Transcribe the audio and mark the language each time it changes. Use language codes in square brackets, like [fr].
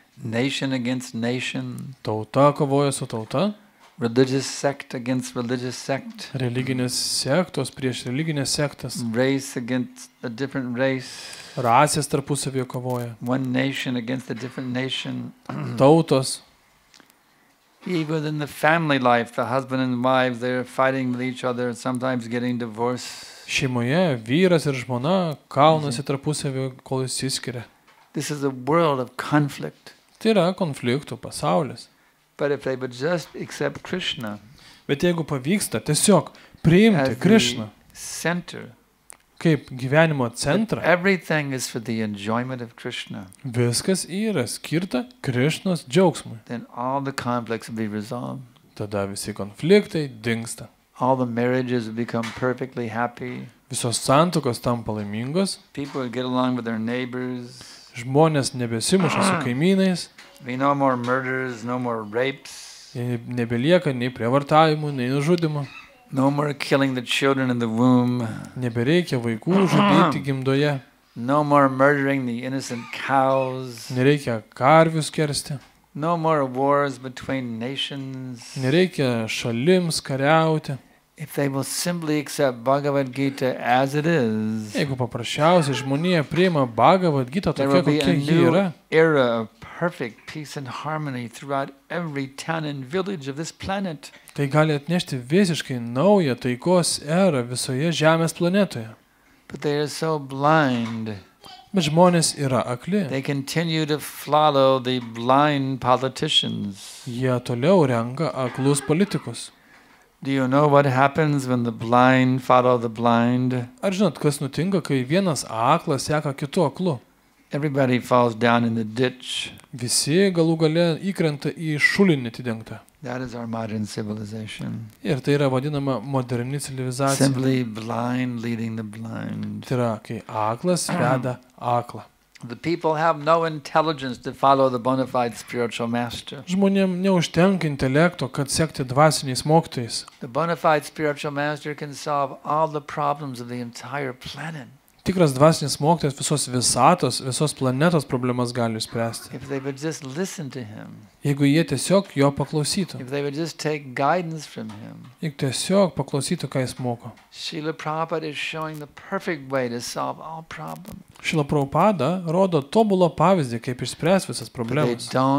[en] Nation against nation. [lt] Tauta kovoja su tauta. [en] Religious sect against religious sect. [lt] Religinės sektos prieš religinės sektas. [en] Race against a different race. [lt] Rasės tarpusavyje kovoja. [en] One nation against a different nation. [lt] Tautos. [en] Even in the family life, the husband and wife, they're fighting with each other, sometimes getting divorced. [lt] Šeimoje vyras ir žmona kaunasi tarpusavyje, kol išsiskiria. [en] This is a world of conflict. [lt] Tai yra konfliktų pasaulis. [en] But if they would just accept Krishna. [lt] Bet jeigu pavyksta tiesiog priimti Krishna. [en] Center. [lt] Kaip gyvenimo centrą. [en] Everything is for the enjoyment of Krishna. [lt] Viskas yra skirta Krishnos džiaugsmui. [en] Then all the conflicts will be resolved. [lt] Tada visi konfliktai dingsta. [en] All the marriages will become perfectly happy. [lt] Visos santuokos tampa laimingos. [en] People will get along with their neighbors. [lt] Žmonės nebesimuša su kaimynais. [en] No more murders, no more rapes. [lt] Nebelieka nei prievartavimų, nei nužudimų. [en] No more killing the children in the womb. [lt] Nebereikia vaikų žudyti gimdoje. [en] No more murdering the innocent cows. [lt] Nereikia karvių skersti. [en] No more wars between nations. [lt] Nereikia šalims kariauti. [en] If they will simply accept Bhagavad Gita as it is. [lt] Jeigu paprasčiausiai žmonija priima Bhagavad Gita tokia, kokia ji yra. [en] Era of perfect peace and harmony throughout every town and village of this planet. [lt] Tai gali atnešti visiškai naują taikos erą visoje Žemės planetoje. [en] But they are so blind. [lt] Bet žmonės yra akli. [en] They continue to follow the blind politicians. [lt] Jie toliau renka aklus politikus. [en] Do you know what happens when the blind follow the blind? [lt] Ar žinot, kas nutinka, kai vienas aklas seka kitu aklu? [en] Everybody falls down in the ditch. [lt] Visi galų gale įkrenta į šulinį atidengtą. [en] That is our modern civilization. [lt] Ir tai yra vadinama moderni civilizacija. [en] Simply blind leading the blind. [lt] Tai yra, kai aklas veda aklą. [en] The people have no intelligence to follow the bona fide spiritual master. [lt] Žmonėms neužtenka intelekto, kad sekti dvasiniais mokytojais. [en] The bona fide spiritual master can solve all the problems of the entire planet. [lt] Tikras dvasinis mokytojas visos visatos, visos planetos problemas gali išspręsti. [en] If they would just listen to him. [lt] Jeigu jie tiesiog jo paklausytų. [en] If they would just take guidance from him. [lt] Jeigu tiesiog paklausytų, ką jis moko. [en] Srila Prabhupada is showing the perfect way to solve all problems. [lt] Šila Prabhupada rodo tobulą pavyzdį, kaip išspręsti visas problemas.